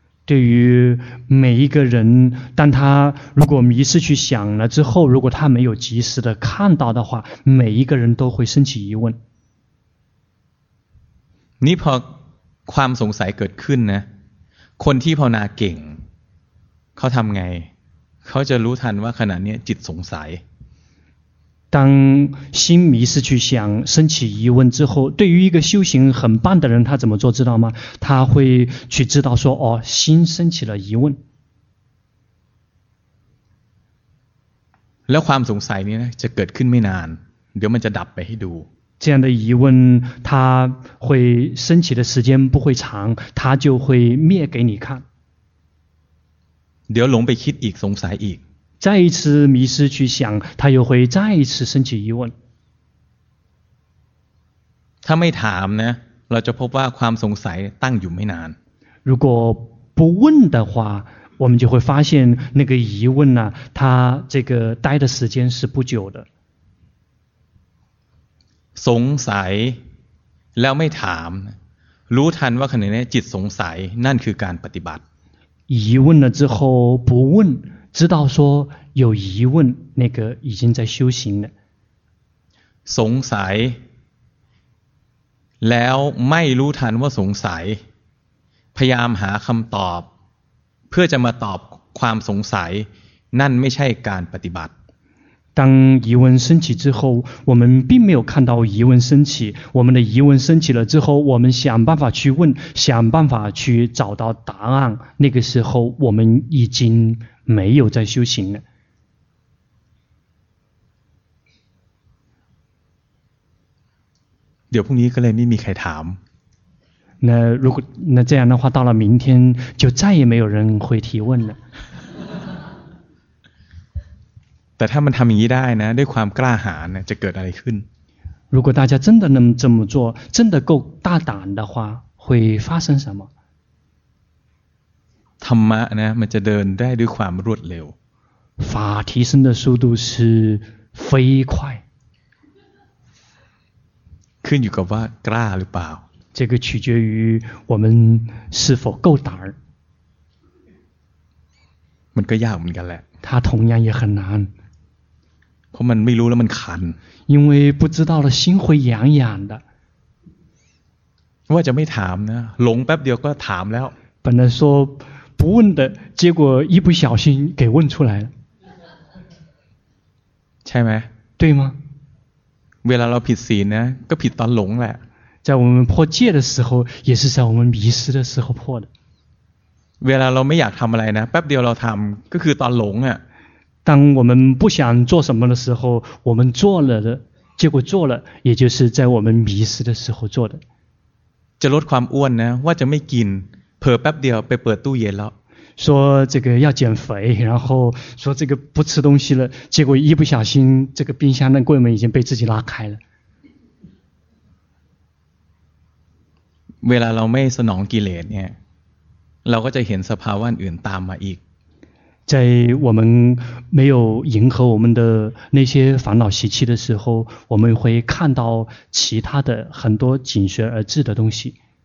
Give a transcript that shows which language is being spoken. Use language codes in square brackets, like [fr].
[zh] 对于每一个人，当他如果迷失去想了之后，如果他没有及时的看到的话，每一个人都会升起疑问。 [th] นี่พอความสงสัยเกิดขึ้นนะคนที่ภาวนาเก่งเขาทำไงเขาจะรู้ทันว่าขณะนี้จิตสงสัย [zh] 当心迷失去想升起疑问之后，对于一个修行很棒的人，他怎么做知道吗？他会去知道说，哦，心升起了疑问。 [th] แล้วความสงสัยนี้นะจะเกิดขึ้นไม่นานเดี๋ยวมันจะดับไปให้ดู [zh] 这样的疑问它会升起的时间不会长，它就会灭给你看。 [th] เดี๋ยวหลงไปคิดอีกสงสัยอีก [zh] 再一次迷失去想，他又会再一次升起疑问。他没谈呢， [th] เราจะพบว่าความสงสัยตั้งอยู่ไม่นาน。 [zh] 如果不问的话，我们就会发现那个疑问呢，他这个待的时间是不久的。 [th] สงสัยแล้วไม่ถามรู้ทันว่าขณะนี้จิตสงสัยนั่นคือการปฏิบัติ。 [zh] 疑问了之后不问。知道说有疑问，那个已经在修行了。 [th] สงสัยแล้วไม่รู้ทันว่าสงสัยพยายามหาคำตอบเพื่อจะมาตอบความสงสัยนั่นไม่ใช่การปฏิบัติ [zh] 当疑问升起之后，我们并没有看到疑问升起，我们的疑问升起了之后，我们想办法去问，想办法去找到答案，那个时候我们已经没有在修行了。 [th] เดี๋ยวพรุ่งนี้ก็เลยไม่มีใครถาม。 [zh] 那如果那这样的话，到了明天就再也没有人会提问了。 [th] แต่ถ้ามันทำอย่างนี้ได้นะด้วยความกล้าหาญนะจะเกิดอะไรขึ้น [zh] 如果大家真的能这么做真的够大胆的话会发生什么 [th] ธรรมะนะมันจะเดินได้ด้วยความรวดเร็ว [zh] 法提升的速度是飞快 [th] ขึ้นอยู่กับว่ากล้าหรือเปล่า [zh] 这个取决于我们是否够胆 [th] มันก็ยากเหมือนกันแหละ [zh] 它同样也很难 [th] เพราะมันไม่รู้แล้วมันคัน [zh] 因为不知道了心会痒痒的 [th] ว่าจะไม่ถามนะหลงแป๊บเดียวก็ถามแล้ว [zh] 本来说不问的结果一不小心给问出来了 [th] ใช่ไหม [zh] 对吗 [th] เวลาเราผิดศีลนะก็ผิดตอนหลงแหละ [zh] 在我们破戒的时候也是在我们迷失的时候破的 [th] เวลาเราไม่อยากทำอะไรนะแป๊บเดียวเราทำก็คือตอนหลงอ่ะ [zh] 当我们不想做什么的时候，我们做了的，结果做了，也就是在我们迷失的时候做的。 [th] จะลดความอ้วนนะว่าจะไม่กินเผลอแป๊บเดียวไปเปิดตู้เย็นแล้ว [zh] 说这个要减肥，然后说这个不吃东西了，结果一不小心这个冰箱的柜门已经被自己拉开了。 [th] เวลาเราไม่สนองกิเลสเนี่ยเราก็จะเห็นสภาวะอื่นตามมาอีก [zh] 在我们没有迎合我们的那些烦恼习气的时候，我们会看到其他的很多紧随而至的东西。